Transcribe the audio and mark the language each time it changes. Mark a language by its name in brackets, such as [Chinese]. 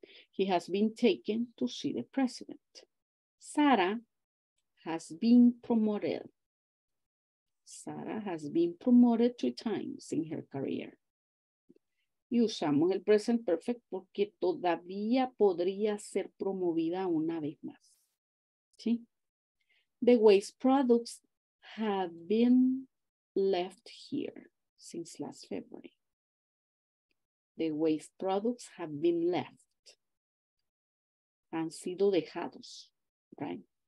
[English] He has been taken to see the president. Sarah has been promoted. Sarah has been promoted 3 times in her career. [Spanish] Y usamos el present perfect porque todavía podría ser promovida una vez más. ¿Sí? [English] The waste products have been left here since last February. The waste products have been left. [Spanish] Han sido dejados, [English] right?